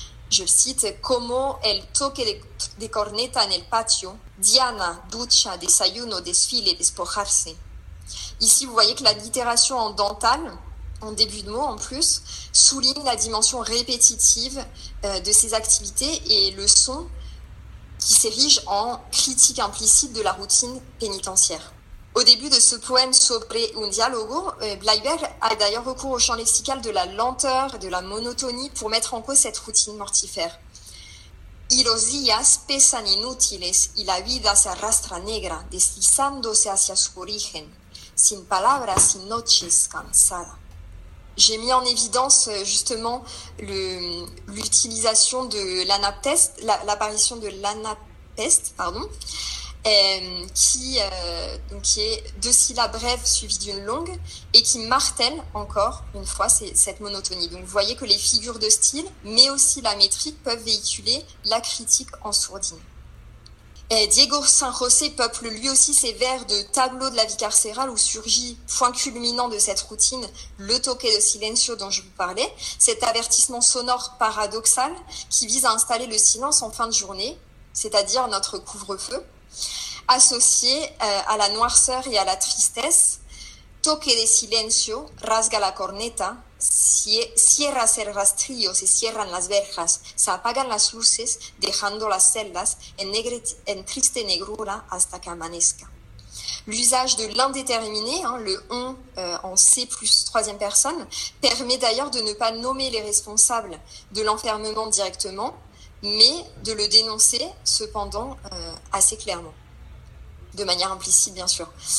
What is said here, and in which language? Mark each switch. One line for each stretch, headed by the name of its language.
French: Je cite «
Spanish: Como el toque de corneta en el patio, Diana, ducha, desayuno, desfile, despojarse.
French: » Ici, vous voyez que la littération en dental, en début de mot en plus, souligne la dimension répétitive de ces activités et le son qui s'érige en critique implicite de la routine pénitentiaire. Au début de ce poème Sopre un dialogo, Bleiberg a d'ailleurs recours au champ lexical de la lenteur, de la monotonie pour mettre en cause cette routine mortifère.
Spanish: Y los días pesan inútiles y la vida se arrastra negra, deslizándose hacia su origen, sin palabras, sin noches cansada.
French: J'ai mis en évidence justement l'utilisation de l'anapteste, l'apparition de l'anapteste, pardon, qui est deux syllabes brèves suivies d'une longue et qui martèle encore une fois cette monotonie. Donc vous voyez que les figures de style, mais aussi la métrique, peuvent véhiculer la critique en sourdine. Diego San José peuple lui aussi ses vers de tableau de la vie carcérale où surgit, point culminant de cette routine, le
Spanish: toque de silencio
French: dont je vous parlais, cet avertissement sonore paradoxal qui vise à installer le silence en fin de journée, c'est-à-dire notre couvre-feu, associé à la noirceur et à la tristesse.
Spanish: Toque de silencio, rasga la corneta, cierras el rastrillo, se cierran las verjas, se apagan las luces, dejando las celdas en triste negrura hasta que amanezca.
French: L'usage de l'indéterminé, hein, le on en C plus troisième personne, permet d'ailleurs de ne pas nommer les responsables de l'enfermement directement, mais de le dénoncer cependant assez clairement, de manière implicite bien sûr.